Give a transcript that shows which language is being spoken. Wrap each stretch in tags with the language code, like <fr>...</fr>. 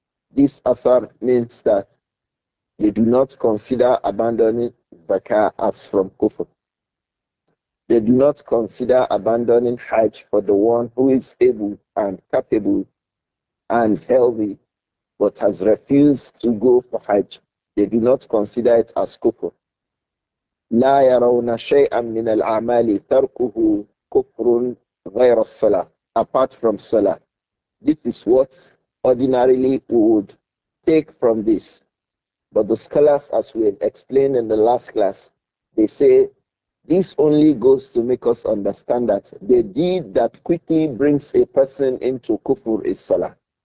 <en>This athar means that they do not consider abandoning zakah as from kufr. They do not consider abandoning hajj for the one who is able and capable and healthy but has refused to go for hajj. They do not consider it as kufr.</en> <ar>لا يرون شيئا من الأعمال تركه كفر غير الصلاة,</ar> <en>apart from salah. This is what ordinarily we would take from this. But the scholars, as we had explained in the last class, they say this only goes to make us understand that the deed that quickly brings a person into kufr is salah.</en>